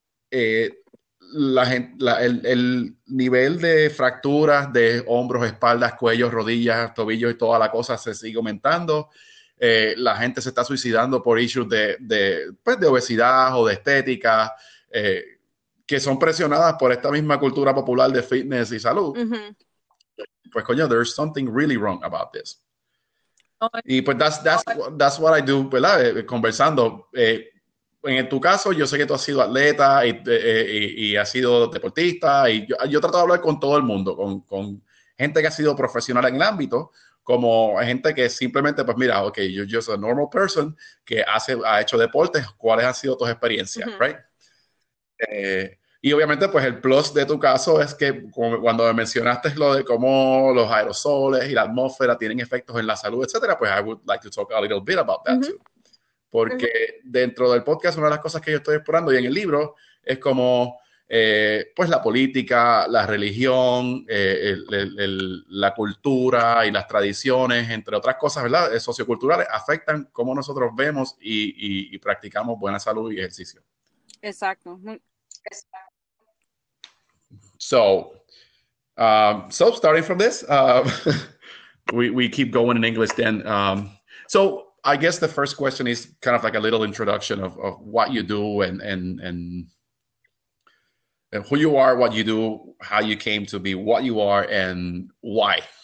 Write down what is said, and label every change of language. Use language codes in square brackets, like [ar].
[es] El nivel de fracturas de hombros, espaldas, cuellos, rodillas, tobillos y toda la cosa se sigue aumentando. La gente se está suicidando por issues de obesidad o de estética, que son presionadas por esta misma cultura popular de fitness y salud. Pues coño, [en] there's something really wrong about this. [es] Y pues [en] that's what I do, [es] ¿verdad? Conversando. En tu caso, yo sé que tú has sido atleta y has sido deportista y yo trato de hablar con todo el mundo, con gente que ha sido profesional en el ámbito, como gente que simplemente, pues mira, [en] ok, you're just a normal person [es] que ha hecho deportes, ¿cuáles han sido tus experiencias, [en] right? [es] Y obviamente, pues el plus de tu caso es que cuando mencionaste lo de cómo los aerosoles y la atmósfera tienen efectos en la salud, etcétera, pues [en] I would like to talk a little bit about that too. [es] Porque dentro del podcast, una de las cosas que yo estoy explorando y en el libro es cómo pues la política, la religión, la cultura y las tradiciones, entre otras cosas, ¿verdad? Socioculturales afectan cómo nosotros vemos y practicamos buena salud y ejercicio. Exacto. Exacto. [en] So, So starting from this, we keep going in English then. So I guess the first question is kind of like a little introduction of what you do and who you are, what you do, how you came to be what you are, and why.